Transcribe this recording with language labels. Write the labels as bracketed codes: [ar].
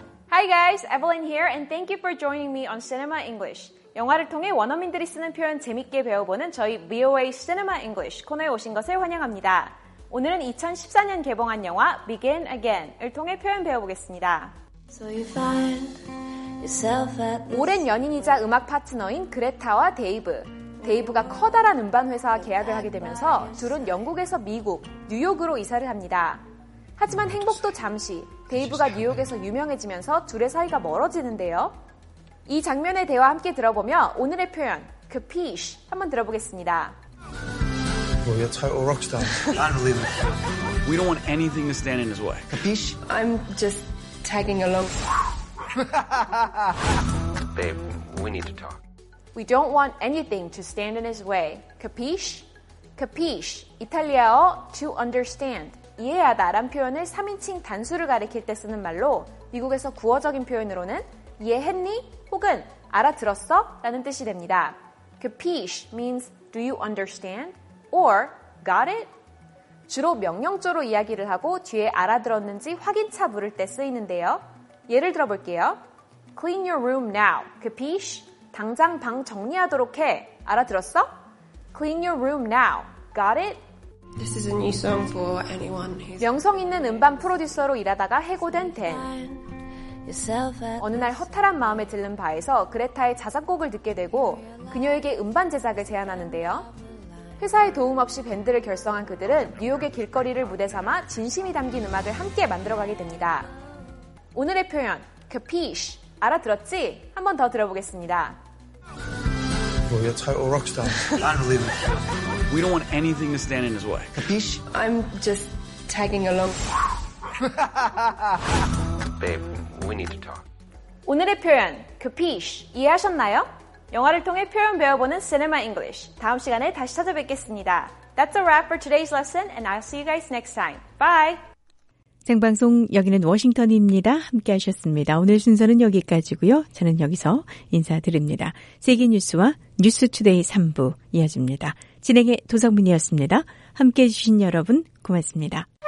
[en] Hi guys, Evelyn here and thank you for joining me on Cinema English. [ko] 영화를 통해 원어민들이 쓰는 표현 재밌게 배워보는 저희 VOA Cinema English 코너에 오신 것을 환영합니다. 오늘은 2014년 개봉한 영화 Begin Again을 통해 표현 배워보겠습니다. [en] So you find yourself at this... [ko] 오랜 연인이자 음악 파트너인 그레타와 데이브. 데이브가 커다란 음반 회사와 계약을 하게 되면서 둘은 영국에서 미국, 뉴욕으로 이사를 합니다. 하지만 행복도 잠시, 데이브가 뉴욕에서 유명해지면서 둘의 사이가 멀어지는데요. 이 장면의 대화 함께 들어보며 오늘의 표현, capiche, 한번 들어보겠습니다. [en] Well, you're a total rockstar. I don't believe it. We don't want anything to stand in his way. Capiche? I'm just tagging along. Babe, we need to talk. We don't want anything to stand in his way. Capiche? Capiche, [ko] 이탈리아어, [en] to understand. [ko] 이해하다란 표현을 3인칭 단수를 가리킬 때 쓰는 말로 미국에서 구어적인 표현으로는 이해했니? 혹은 알아들었어? 라는 뜻이 됩니다. [en] Capiche means do you understand? Or got it? [ko] 주로 명령조로 이야기를 하고 뒤에 알아들었는지 확인차 물을 때 쓰이는데요. 예를 들어볼게요. [en] Clean your room now. Capiche? [ko] 당장 방 정리하도록 해. 알아들었어? [en] Clean your room now. Got it? This is a new song for anyone who's [ko] 명성 있는 음반 프로듀서로 일하다가 해고된 댄. 어느 날 허탈한 마음에 들른 바에서 그레타의 자작곡을 듣게 되고 그녀에게 음반 제작을 제안하는데요. 회사의 도움 없이 밴드를 결성한 그들은 뉴욕의 길거리를 무대 삼아 진심이 담긴 음악을 함께 만들어가게 됩니다. 오늘의 표현, capiche, 알아들었지? 한 번 더 들어보겠습니다. [en] Well, you're a total rockstar. I don't believe it. We don't want anything to stand in his way. Capiche? I'm just tagging along. Babe, we need to talk. [ko] 오늘의 표현, capiche, 이해하셨나요? 영화를 통해 표현 배워보는 Cinema English. 다음 시간에 다시 찾아뵙겠습니다. [en] That's a wrap for today's lesson, and I'll see you guys next time. Bye! [ko] 생방송 여기는 워싱턴입니다. 함께하셨습니다. 오늘 순서는 여기까지고요. 저는 여기서 인사드립니다. 세계뉴스와 뉴스투데이 3부 이어집니다. 진행의 도성민이었습니다. 함께해 주신 여러분 고맙습니다.